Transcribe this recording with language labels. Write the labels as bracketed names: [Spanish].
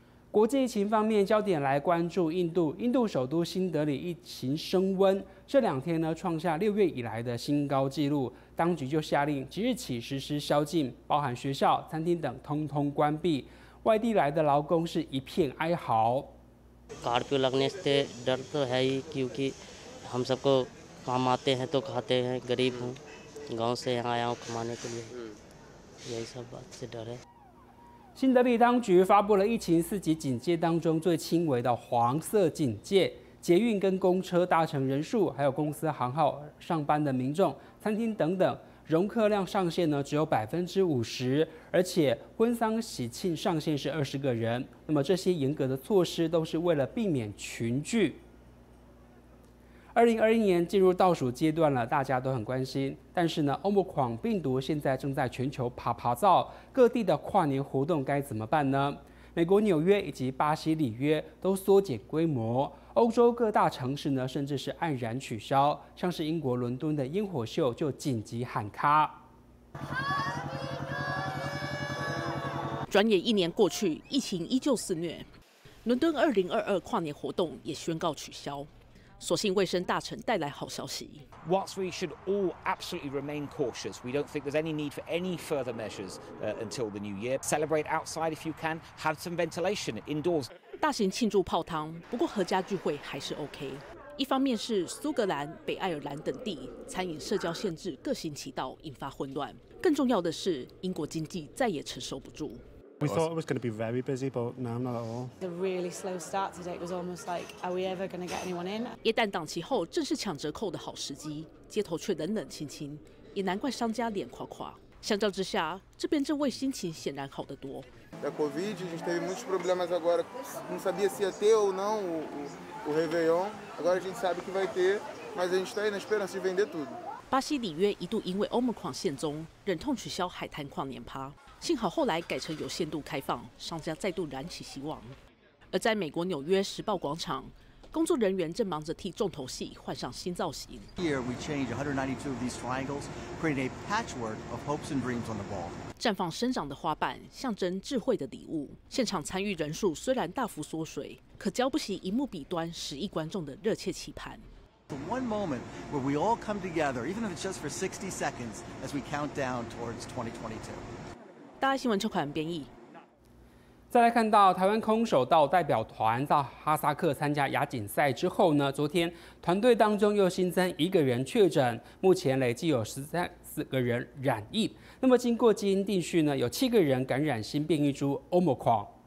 [Chinese] 国际疫情方面，焦点来关注印度。印度首都新德里疫情升温，这两天呢创下6月以来的新高纪录。当局就下令即日起实施宵禁，包含学校、餐厅等通通关闭。外地来的劳工是一片哀嚎。 [Hindi] Carpio लगने से डर तो है ही क्योंकि हम सबको काम आते हैं तो खाते हैं गरीब हूँ गांव से यहाँ आया हूँ कमाने के लिए यही सब बात से डर है。 [Chinese] 新德里当局发布了疫情四级警戒当中最轻微的黄色警戒，捷运跟公车搭乘人数，还有公司行号上班的民众、餐厅等等，容客量上限呢只有50%，而且婚丧喜庆上限是20个人。那么这些严格的措施都是为了避免群聚。 2021年进入倒数阶段了，大家都很关心。但是呢，奥密克戎病毒现在正在全球爬灶，各地的跨年活动该怎么办呢？美国纽约以及巴西里约都缩减规模，欧洲各大城市呢，甚至是黯然取消，像是英国伦敦的烟火秀就紧急喊卡。转眼一年过去，疫情依旧肆虐，伦敦2022跨年活动也宣告取消。所幸卫生大臣带来好消息。 [English] Whilst we should all absolutely remain cautious, we don't think there's any need for any further measures until the new year. Celebrate outside if you can, have some ventilation indoors. [Chinese] 大型庆祝泡汤，不过合家聚会还是 OK。一方面是苏格兰、北爱尔兰等地餐饮社交限制各行其道，引发混乱。更重要的是，英国经济再也承受不住。 [English] We thought it was going to be very busy, but no, not at all. The really slow start today was almost like, are we ever going to get anyone in? [Chinese] 耶诞档期后正是抢折扣的好时机，街头却冷冷清清，也难怪商家脸垮垮。相较之下，这边正为心情显然好得多。 [Portuguese] The COVID, a gente teve muitos problemas agora, não sabia se ia ter ou não o Réveillon. Agora a gente sabe que vai ter, mas a gente está aí na esperança de vender tudo. [Chinese] 巴西里约一度因为奥密克戎现踪，忍痛取消海滩跨年趴。幸好后来改成有限度开放，商家再度燃起希望。而在美国纽约时报广场，工作人员正忙着替重头戏换上新造型。 [English] Here we change 192 of these triangles, create a patchwork of hopes and dreams on the ball. [Chinese] 绽放生长的花瓣，象征智慧的礼物。现场参与人数虽然大幅缩水，可浇不熄荧幕笔端10亿观众的热切期盼。 [English] For one moment where we all come together, even if it's just for 60 seconds, as we count down towards 2022. [Chinese] 大爱新闻邱凯文编译。再来看到台湾空手道代表团到哈萨克参加亚锦赛之后呢，昨天团队当中又新增一个人确诊，目前累计有13个人染疫。那么经过基因定序呢，有7个人感染新变异株 Omicron。